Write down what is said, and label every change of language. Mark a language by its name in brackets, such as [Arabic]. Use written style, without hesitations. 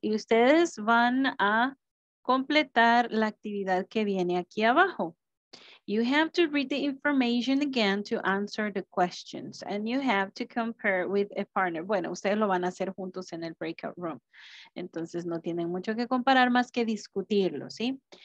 [Spanish] Y ustedes van a completar la actividad que viene aquí abajo. [English] You have to read the information again to answer the questions and you have to compare with a partner. [Spanish] Bueno, ustedes lo van a hacer juntos en el breakout room. Entonces no tienen mucho que comparar más que discutirlo, ¿sí?